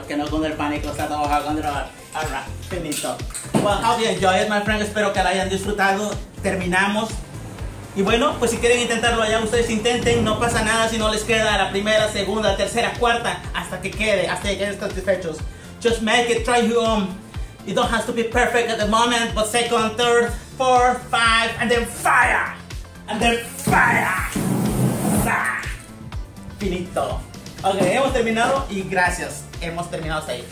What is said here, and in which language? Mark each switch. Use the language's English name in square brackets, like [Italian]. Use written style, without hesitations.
[Spanish] Que no con el pánico, está todo bajo control. [English] Alright, finito. Well, how you enjoy it, my friend. [Spanish] Espero que la hayan disfrutado. Terminamos. Y bueno, pues si quieren intentarlo allá, ustedes intenten. No pasa nada si no les queda la primera, segunda, tercera, cuarta. Hasta que queden satisfechos. [English] Just make it, try your own. It don't have to be perfect at the moment, but second, third, fourth, five, and then fire! And then fire! Finito. [Spanish] Ok, hemos terminado y gracias, hemos terminado hasta ahí.